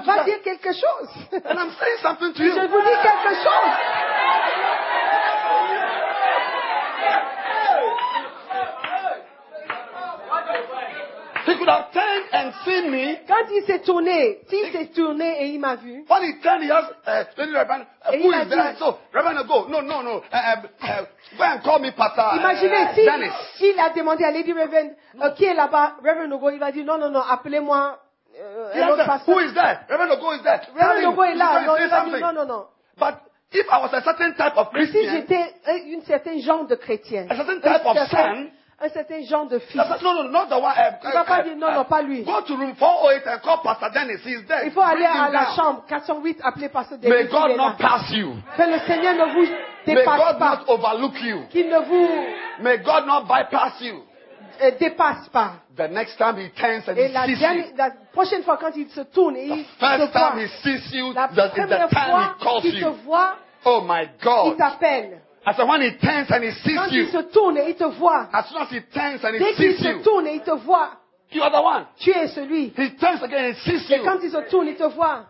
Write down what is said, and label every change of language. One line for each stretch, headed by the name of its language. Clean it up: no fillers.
French: va dire quelque chose.
English: And I'm saying something to
French: je
English: you.
French: Je vous dis quelque chose.
English: He could have turned and seen me.
French: Quand il s'est tourné, s'il s'est tourné et il m'a vu.
English: When he turned, he asked, who is that? So, Rev Ogoe, no. Go and call me Pastor.
French: Imaginez si
English: Dennis.
French: Il a demandé à Lady Rev qui est là-bas, Rev Ogoe, il va dire, non, appelez-moi.
English: Who is that? Rev Ogoe is that?
French: Rev Ogoe est là. Non, il va dire, non.
English: But if I was a certain type of Christian.
French: Mais si j'étais une certain genre de chrétien.
English: A certain type of son.
French: Un certain genre de fils.
English: Non, not the one.
French: Il va pas dire non, pas lui.
English: Go to room 408 and call Pastor Dennis. He's there.
French: Il faut aller à la chambre 408 appeler Pastor Dennis.
English: May God not pass you.
French: Que le Seigneur ne vous dépasse pas.
English: May God not overlook you.
French: Qu'il ne vous.
English: May God not bypass you.
French: Dépasse pas.
English: The next time he turns and he sees you.
French: Et la prochaine fois quand il se tourne et il te voit.
English: The first time he sees you, the time he calls you.
French: La première fois qu'il te voit.
English: Oh my God.
French: Il t'appelle.
English: As soon as he turns and he sees
French: quand
English: you.
French: Quand il se tourne et il te voit.
English: As soon as he turns and he
French: dès
English: sees you.
French: Dès qu'il se tourne et il te voit.
English: You are the one.
French: Tu es celui.
English: He turns again and sees
French: et
English: you.
French: Et quand il se tourne, il te voit.